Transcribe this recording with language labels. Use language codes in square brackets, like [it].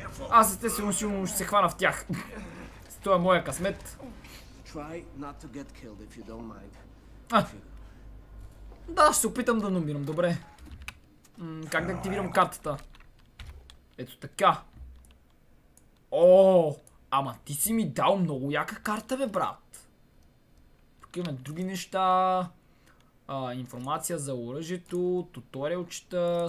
[bg] Аз естествено сигурно ще се хвана в тях. Това е моя късмет. [en] Try not to get killed if you don't mind. [bg] Да, ще се опитам да номирам, добре. Как да активирам картата? Ето така. О, ама ти си ми дал много яка карта, бе, брат. Тук имаме други неща. Информация за оръжието, туториалчета.